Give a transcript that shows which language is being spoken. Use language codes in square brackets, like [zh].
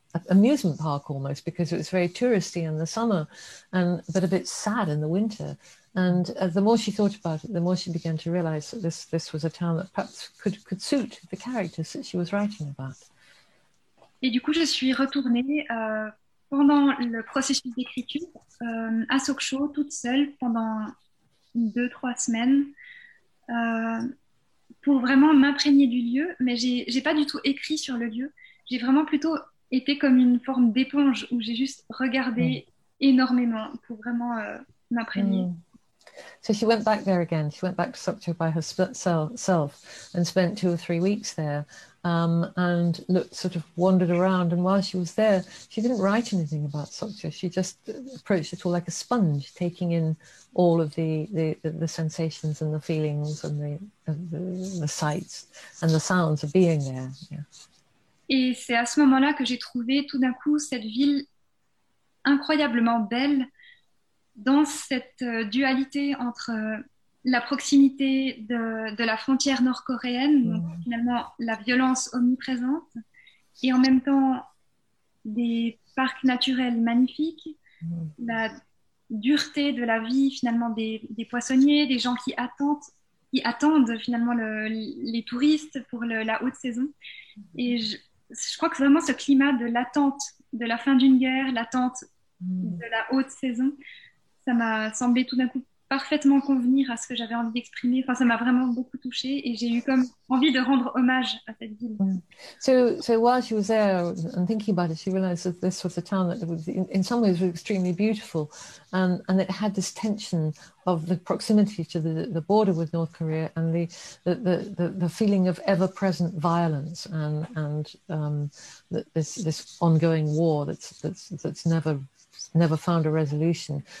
[en] amusement park almost, because it was very touristy in the summer but a bit sad in the winter, and the more she thought about it, the more she began to realize that this was a town that perhaps could suit the characters that she was writing about. [fr] Et du coup je suis retournée pendant le processus d'écriture à Sokcho toute seule pendant 2-3 semaines pour vraiment m'imprégner du lieu, mais j'ai pas du tout écrit sur le lieu. J'ai vraiment plutôt été comme une forme d'éponge où j'ai juste regardé énormément pour vraiment m'imprégner. Mm. [en] So she went back there again. She went back to Sokcho by herself and spent 2 or 3 weeks there and looked, sort of wandered around. And while she was there, she didn't write anything about Sokcho. She just approached it all like a sponge, taking in all of the sensations and the feelings and the sights and the sounds of being there. Yeah. [fr] Et c'est à ce moment-là que j'ai trouvé tout d'un coup cette ville incroyablement belle dans cette dualité entre la proximité de la frontière nord-coréenne, donc finalement la violence omniprésente, et en même temps des parcs naturels magnifiques, la dureté de la vie finalement des poissonniers, des gens qui attendent finalement les touristes pour la haute saison. Et je crois que vraiment ce climat de l'attente de la fin d'une guerre, l'attente de la haute saison, ça m'a semblé tout d'un coup parfaitement convenir à ce que j'avais envie d'exprimer. Enfin, ça m'a vraiment beaucoup touchée et j'ai eu comme envie de rendre hommage à cette ville. [en] So while she was there and thinking about it, she realized that this was a town that was in some ways was extremely beautiful, and it had this tension of the proximity to the border with North Korea and the feeling of ever-present violence and this ongoing war that's never found a resolution.